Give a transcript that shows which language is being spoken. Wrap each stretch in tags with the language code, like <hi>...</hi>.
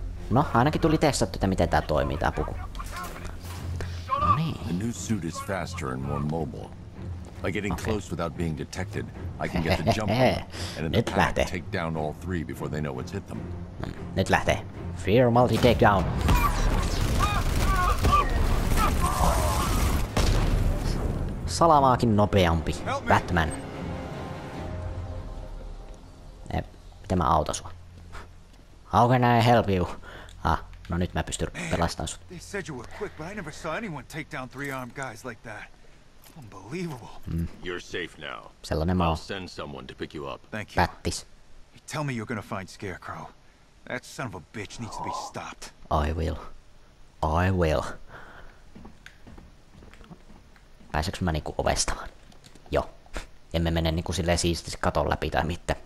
<fi>No, ainakin tuli testattu, että miten tää toimii, tää puku.</fi> <en>The new suit is faster and more mobile. By getting close without being detected, I can get the jump on and in the pack take down all three before they know what's hit them.</en> <fi>Nyt lähtee. Fear multi takedown. Salamaakin nopeampi, Batman. Miten mä autan sua?</fi> <en>How can I help you?</en> <fi>No nyt mä pystyn pelastamaan sut.</fi> <en>They said you were quick, but I never saw anyone take down three-armed guys like that. Unbelievable. You're safe now.</en> <fi>Sellainen mä oon.</fi> <en>I'll send someone to pick you up. Thank you. Battis. You tell me you're gonna find Scarecrow. That son of a bitch needs to be stopped. I will. I will.</en> <fi>Pääseks mä niinku ovestamaan? Joo. Emme mene niinku silleen siististi katon läpi tai mitte.</fi>